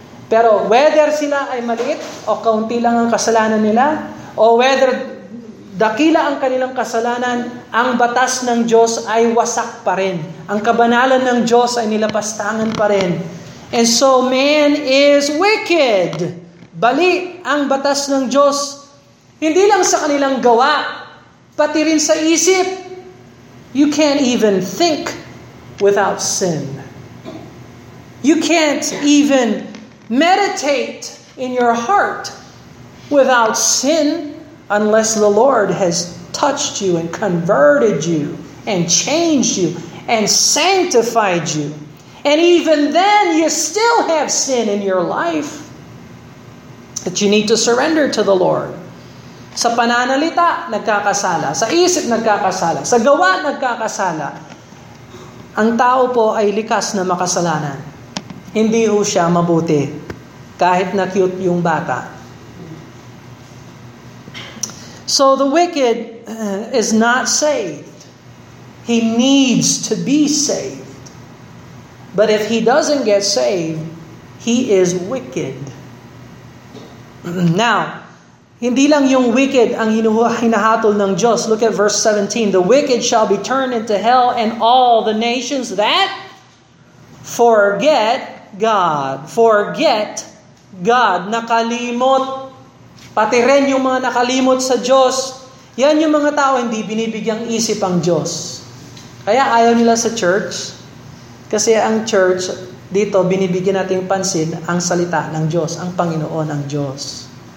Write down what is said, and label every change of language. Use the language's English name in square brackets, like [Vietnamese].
[Filipino] Pero whether sila ay maliit o kaunti lang ang kasalanan nila o whether dakila ang kanilang kasalanan, ang batas ng Diyos ay wasak pa rin. Ang kabanalan ng Diyos ay nilapastangan pa rin. [English] And so man is wicked. [Filipino] Bali ang batas ng Diyos, hindi lang sa kanilang gawa, pati rin sa isip. [English] You can't even think without sin. You can't even meditate in your heart without sin. Unless the Lord has touched you and converted you and changed you and sanctified you. And even then, you still have sin in your life that you need to surrender to the Lord. [Filipino] Sa pananalita, nagkakasala. Sa isip, nagkakasala. Sa gawa, nagkakasala. Ang tao po ay likas na makasalanan. Hindi ho siya mabuti kahit na cute yung bata. [English] So the wicked is not saved. He needs to be saved. But if he doesn't get saved, he is wicked. [Filipino] Now, hindi lang yung wicked ang hinahatol ng Diyos. [English] Look at verse 17. The wicked shall be turned into hell and all the nations that forget God. Forget God. [Filipino] Nakalimot. Pati rin yung mga nakalimot sa Diyos. Yan yung mga tao hindi binibigyang isip ang Diyos. Kaya ayaw nila sa church. Kasi ang church, dito binibigyan natin pansin ang salita ng Diyos, ang Panginoon ang Diyos.